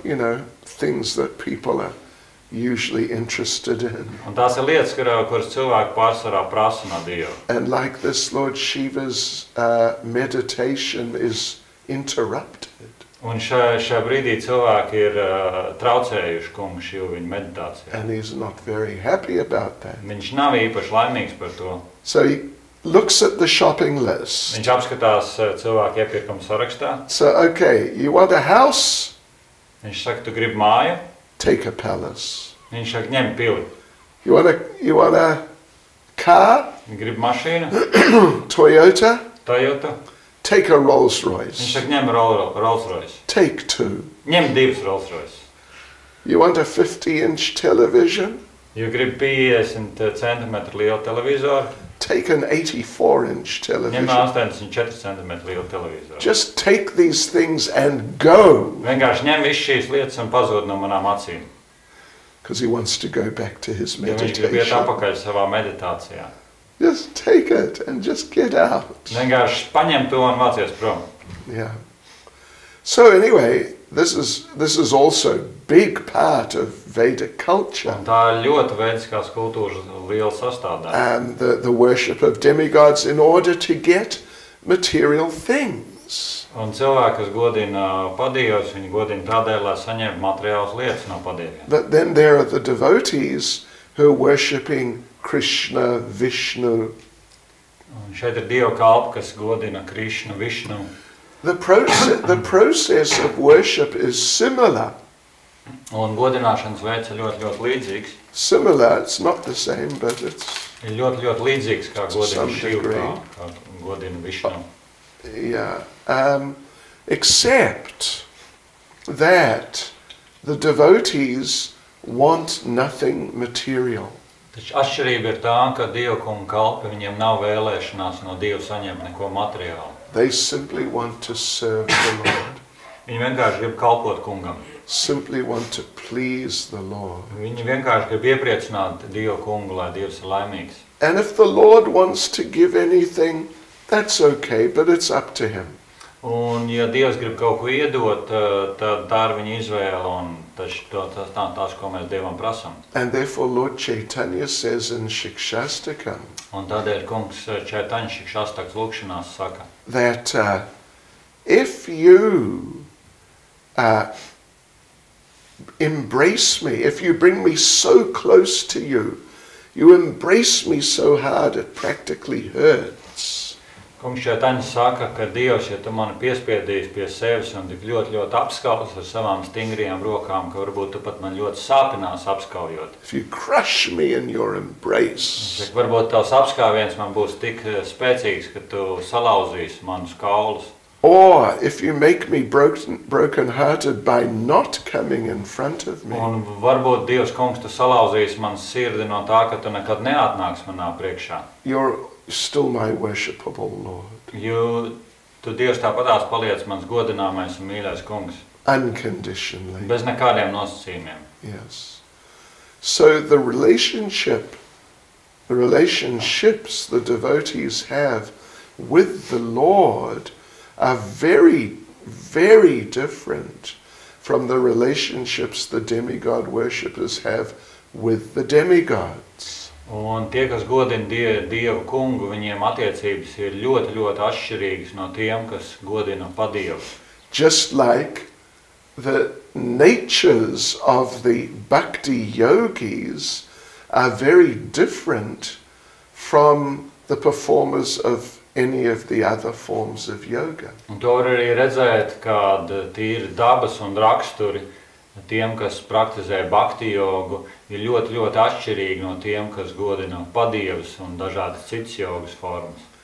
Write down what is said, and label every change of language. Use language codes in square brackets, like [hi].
[en] You know, things that people are usually interested in. [lv] Un tās ir lietas, kuras cilvēki pārsvarā prasa no Dieva. [en] And like this, Lord Shiva's meditation is interrupted. [lv] Un šajā brīdī cilvēki ir traucējuši kungu Shivu viņa meditācijā. [en] And he's not very happy about that. [lv] Viņš nav īpaši laimīgs par to. [en] So he looks at the shopping list. [lv] Viņš apskatās cilvēku iepirkumu sarakstā. [en] So, okay, you want a house? [lv] Viņš saka, tu gribi māju? [en] Take a palace. [lv] Viņš saka, ņem pili. [en] You want a car? [lv] Grib mašīnu? [en] Toyota? [lv] Toyota. [en] Take a Rolls-Royce. [lv] Viņš saka, ņem Rolls-Royce. [en] Take two. [lv] Ņem divas Rolls-Royce. [en] You want a 50-inch television? [lv] Jo grib 50 centimetru lielu televizoru. [en] Take an 84-inch television. [lv] Ņem 84 centimetru lielu televizoru. [en] Just take these things and go. [lv] Vienkārši ņem visu šīs lietas un pazūd no manām acīm. [en] Because he wants to go back to his meditation. [lv] Jo viņš grib iet apakaļ savā meditācijā. [en] Just take it and just get out. [lv] Vienkārši paņem to un vācies prom. [en] Yeah. So anyway, this is also big part of Vedic culture. [lv] Tā ir ļoti vediskās kultūras liela sastāvdaļa. [en] And the worship of demigods in order to get material things. [lv] Un cilvēki, kas godina padievus, viņi godina tādēļ, lai saņemtu materiālas lietas no padieviem. [en] But then there are the devotees who are worshipping Krishna, Vishnu. [lv] Un šeit ir Dieva kalpi, kas godina Krishna, Vishnu. [en] The process of worship is similar. [lv] Un godināšanas veids ir ļoti, ļoti līdzīgs. [en] Similar, it's not the same, but it's... [lv] Ir ļoti, ļoti līdzīgs, kā godina Shiva, kā godina Vishnu. [en] Except that the devotees want nothing material. [lv] Taču atšķirība ir tā, ka dievkuma kalpi viņiem nav vēlēšanās no Dieva saņemt neko materiālu. [en] They simply want to serve the Lord. [lv] Viņi vienkārši grib kalpot kungam. [en] Simply want to please the Lord. [lv] Viņi vienkārši grib iepriecināt Dieva kungu, lai Dievs ir laimīgs. [en] And if the Lord wants to give anything, that's okay, but it's up to him. [lv] Un ja Dievs grib kaut ko iedot, tad tā ir viņa izvēle un tās, ko mēs Dievam prasam. [en] And therefore Lord Chaitanya says in Shikshastakam. [lv] Un tādēļ kungs Chaitanya Shikshastaka lūkšanās saka. [en] That if you embrace me, if you bring me so close to you, you embrace me so hard it practically hurts. [lv] Kungs Chaitanya saka, ka Dievs, ja tu mani piespiedīs pie sevis un tik ļoti, ļoti apskaus ar savām stingrijām rokām, ka varbūt tu pat man ļoti sāpinās apskaujot. [en] If you crush me in your embrace. [lv] Saka, varbūt tavs apskāviens man būs tik spēcīgs, ka tu salauzīsi manus kaulus. [en] Or if you make me broken-hearted by not coming in front of me. [lv] Un varbūt Dievs kungs, tu salauzīsi manu sirdi no tā, ka tu nekad neatnāks manā priekšā. [en] Still my worshipable Lord. [lv] Jo tu Dievs tāpatās paliec mans godināmais un mīļais kungs. [en] Unconditionally. [lv] Bez nekādiem nosacījumiem. [en] Yes. So the relationships the devotees have with the Lord are very, very different from the relationships the demigod worshippers have with the demigods. [lv] Un tie, kas godina Dievu kungu, viņiem attiecības ir ļoti, ļoti atšķirīgas no tiem, kas godina padievu. [en] Just like the natures of the bhakti yogis are very different from the performers of any of the other forms of yoga. [lv] Un to var arī redzēt, kad tīri dabas un raksturi tiem, kas praktizē bhakti jogu, ir ļoti, ļoti atšķirīgi no tiem, kas godina padievus un dažādas citas jogas formas.